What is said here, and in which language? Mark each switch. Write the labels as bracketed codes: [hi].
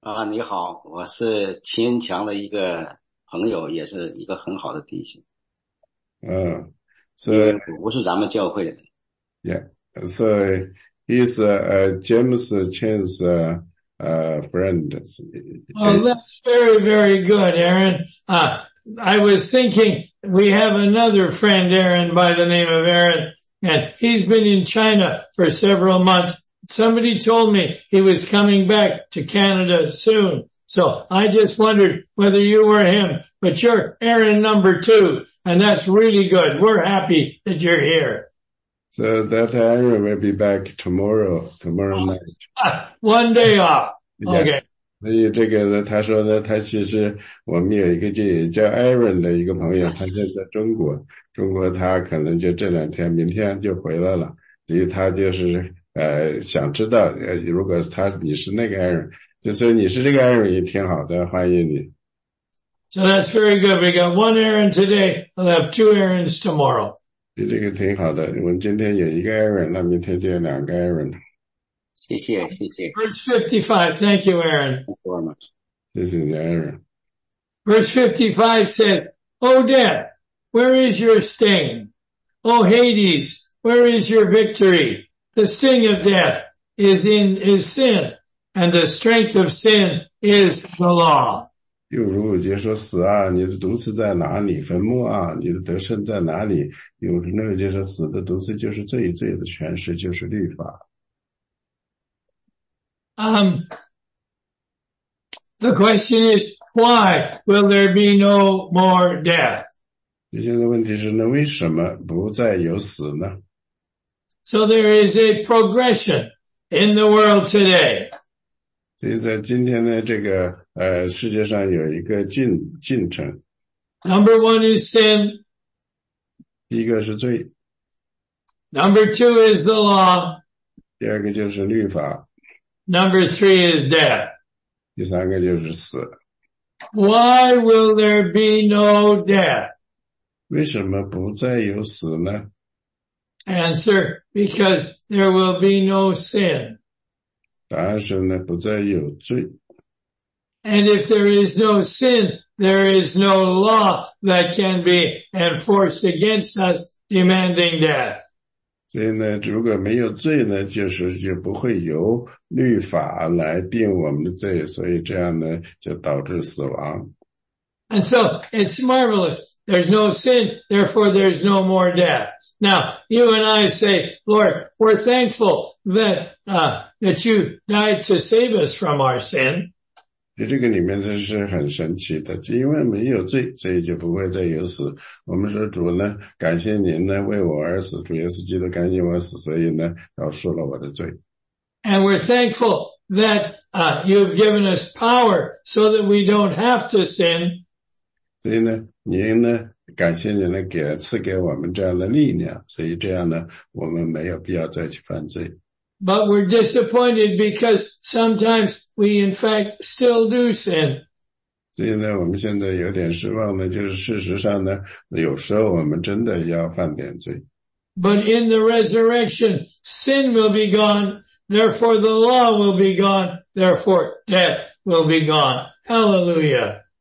[zh] 你好，我是秦强的一个朋友，也是一个很好的弟兄。 [en] So, [zh] 不是咱们教会的。 [en] Yeah, so he's James Chen's friend. Well, that's very, very good, Aaron. I was thinking we have another friend, Aaron, by the name of Aaron, and he's been in China for several months. Somebody told me he was coming back to Canada soon. So I just wondered whether you were him, but you're Aaron number two. And that's really good. We're happy that you're here. So that Aaron will be back tomorrow night. One day off. Okay. [zh] 所以这个呢，他说呢，他其实我们有一个叫 Aaron 的一个朋友，他现在中国，中国他可能就这两天，明天就回来了。所以他就是想知道，如果他你是那个 Aaron， 就说你是这个 Aaron 也挺好的，欢迎你。 [en] So that's very good. We got one Aaron today. We'll have two Aarons tomorrow. [zh] 这个挺好的。我们今天有一个 Aaron， 那明天就有两个 Aaron。谢谢，谢谢。 [en] Verse 55. Thank you, Aaron. Thank you very much. [zh] 谢谢你 ，Aaron. [en] Verse 55 says, "O death, where is your sting? O Hades, where is your victory? The sting of death is in is sin, and the strength of sin is the law. [zh] 又如五节说死啊，你的毒刺在哪里？坟墓啊，你的得胜在哪里？又如六节说死的毒刺就是罪，罪的权势就是律法。 [en] The question is, why will there be no more death? [zh] 接下来的问题是，那为什么不再有死呢？ [en] So there is a progression in the world today. [zh] 所以在今天的这个世界上有一个进程。 [en] Number one is sin. [zh] 第一个是罪。 [en] Number two is the law. [zh] 第二个就是律法。 [en] Number three is death. [zh] 第三个就是死。 [en] Why will there be no death? [zh] 为什么不再有死呢？ [en] Answer, because there will be no sin. [zh] 答案是呢，不再有罪。 [en] And if there is no sin, there is no law that can be enforced against us demanding death. [zh] 所以呢，如果没有罪呢，就不会由律法来定我们的罪，所以这样呢，就导致死亡。 [en] And so, it's marvelous. There's no sin, therefore there's no more death. Now, you and I say, Lord, we're thankful that, that you died to save us from our sin. [zh] 这个里面这是很神奇的，因为没有罪，所以就不会再有死。我们说主呢，感谢您呢为我而死，主耶稣基督感谢我死，所以呢，饶恕了我的罪。 [en] And we're thankful that, you've given us power so that we don't have to sin. [zh] 所以呢，您呢，感谢您呢赐给我们这样的力量，所以这样呢，我们没有必要再去犯罪。 [en] But we're disappointed because sometimes we in fact still do sin. [zh] 所以呢我们现在有点失望呢，就是事实上呢有时候我们真的要犯点罪。 [en] But in the resurrection, sin will be gone, therefore the law will be gone, therefore death will be gone. Hallelujah.